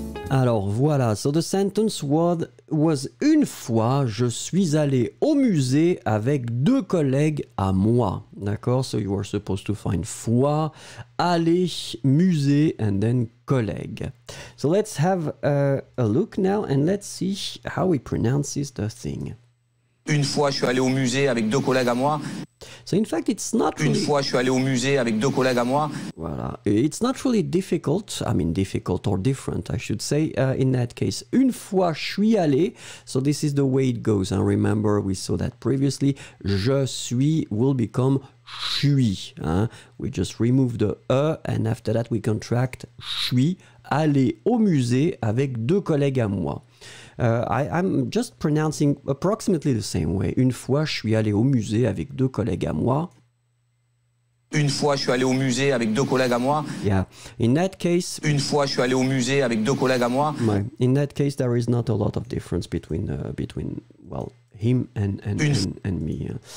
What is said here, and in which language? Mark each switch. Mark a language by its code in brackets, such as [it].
[fr] Alors voilà, [en] so the sentence was [fr] une fois je suis allé au musée avec deux collègues à moi. D'accord, [en] so you are supposed to find fois, aller, musée, and then collègue. So let's have a look now and let's see how he pronounces the thing. [fr] Une fois je suis allé au musée avec deux collègues à moi. [en] So in fact, it's not really... [fr] Une fois, je suis allé au musée avec deux collègues à moi. [en] Voilà. It's not really difficult. I mean, difficult or different, I should say, in that case. [fr] Une fois, je suis allé. [en] So this is the way it goes. And remember, we saw that previously. Je suis will become je suis. Hein? We just remove the E and after that we contract [fr] je suis allé au musée avec deux collègues à moi. [en] I'm just pronouncing approximately the same way. [fr] Une fois, je suis allé au musée avec deux collègues à moi. Une fois, je suis allé au musée avec deux collègues à moi. [en] Yeah. In that case... [fr] Une fois, je suis allé au musée avec deux collègues à moi. [en] Right. In that case, there is not a lot of difference between well, him and me.